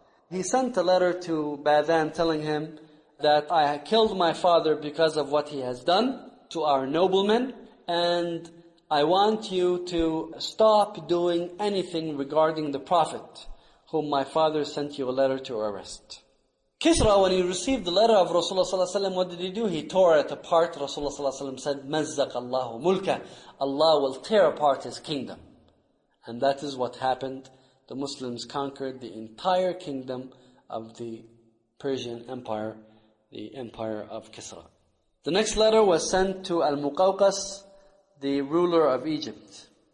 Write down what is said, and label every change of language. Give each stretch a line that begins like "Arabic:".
English: He sent a letter to Badan telling him that I killed my father because of what he has done to our noblemen, and I want you to stop doing anything regarding the prophet whom my father sent you a letter to arrest. Kisra, when he received the letter of Rasulullah ﷺ, what did he do? He tore it apart. Rasulullah ﷺ said,
Arabic: مَزَّقَ اللَّهُ مُلْكَ.
English: Allah will tear apart his kingdom. And that is what happened. The Muslims conquered the entire kingdom of the Persian Empire, the Empire of Kisra. The next letter was sent to Al-Muqawqas, the ruler of Egypt.